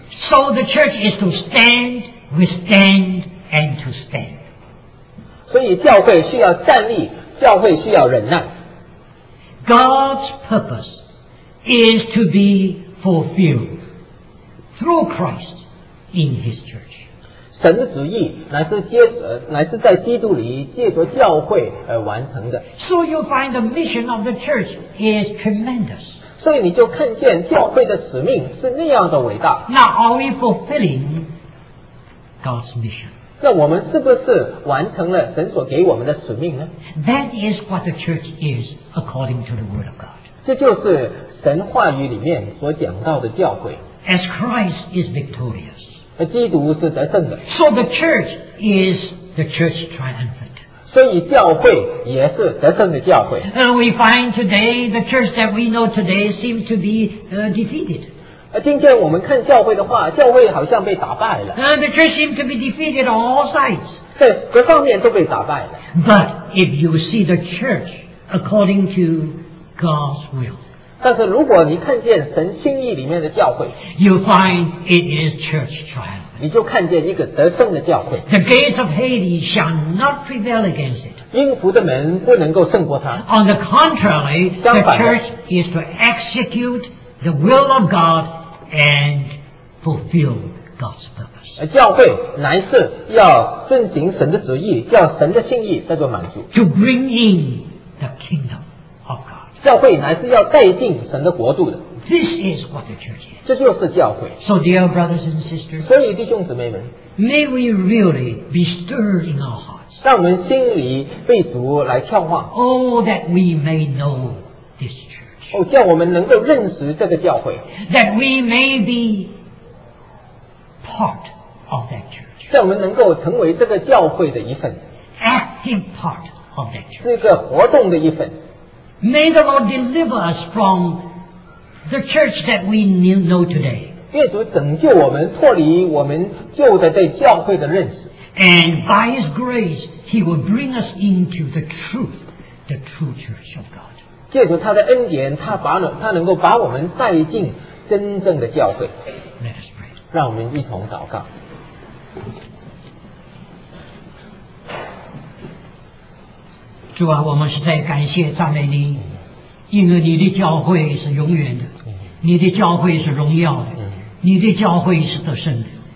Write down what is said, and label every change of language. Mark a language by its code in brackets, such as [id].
[en] So the church is to stand, withstand, and to stand. [zh] 所以教会需要站立，教会需要忍耐。 [en] God's purpose is to be fulfilled through Christ in His church. [zh] 神的旨意乃是在基督里借着教会而完成的。 [en] So you find the mission of the church is tremendous. [zh] 所以你就看见教会的使命是那样的伟大。 [en] Now are we fulfilling God's mission? [zh] 那我们是不是完成了神所给我们的使命呢？ [en] That is what the church is according to the word of God. [zh] 这就是神话语里面所讲到的教会。 [en] As Christ is victorious. [zh] 基督是得胜的。 [en] So the church is the church triumphant. [zh] 所以教会也是得胜的教会。 [en] And we find today the church that we know today seems to be defeated. [zh] 今天我们看教会的话，教会好像被打败了。 [en] And the church seems to be defeated on all sides. [zh] 在各方面都被打败了。 [en] But if you see the church according to God's will, [zh] 但是如果你看见神心意里面的教会， [en] you find it is church triumph. [zh] 你就看见一个得胜的教会。 [en] The gates of Hades shall not prevail against it. [zh] 阴符的门不能够胜过他。 [en] On the contrary, the church is to execute the will of God and fulfill God's purpose. [zh] 教会乃是要遵行神的旨意，叫神的心意得到满足。 [en] To bring in the kingdom of God. [zh] 教会乃是要带进神的国度的。 [en] This is what the church is. [zh] 这就是教会。 [en] So dear brothers and sisters, [zh] 所以弟兄姊妹们， [en] may we really be stirred in our hearts. [zh] 让我们心里被主来跳晃。 [en] Oh, that we may know this church. [zh] 叫我们能够认识这个教会。 [en] That we may be part of that church. [zh] 叫我们能够成为这个教会的一份。 [en] Active part of that church. [zh] 是一个活动的一份。 [en] May the Lord deliver us from the church that we know today. [zh] 愿主拯救我们，脱离我们旧的对教会的认识。 [en] And by His grace, He will bring us into the truth, the true church of God. [zh] 借助他的恩典，他能够把我们带进真正的教会。 [en] Let us pray. [zh] 让我们一同祷告。主啊，我们实在感谢赞美你，因为你的教会是永远的，你的教会是荣耀的，你的教会是得胜的。